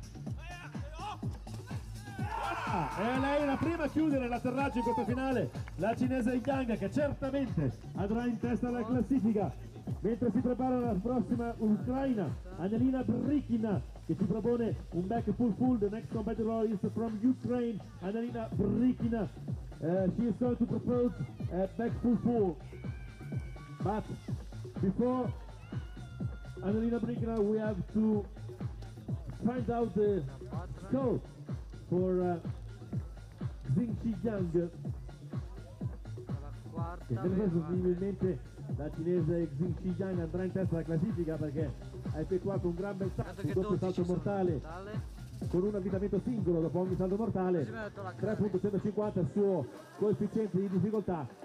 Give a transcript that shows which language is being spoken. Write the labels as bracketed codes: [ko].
[it] E lei è la prima a chiudere l'atterraggio in questa finale, la cinese Yang, che certamente andrà in testa alla classifica, mentre si prepara la prossima ucraina, Anelina Brikina, che si propone un back full. [en] The next competitor is from Ukraine, Anelina Brikina. She is going to propose a back full. But before Anelina Brikina, we have to find out the score for Jing Ji Yang. [it] Presumibilmente la cinese Jing Ji Yang andrà in testa alla classifica, perché ha effettuato un gran bel salto, un doppio salto mortale, con un avvitamento singolo dopo ogni salto mortale. 3.150 il suo coefficiente di difficoltà.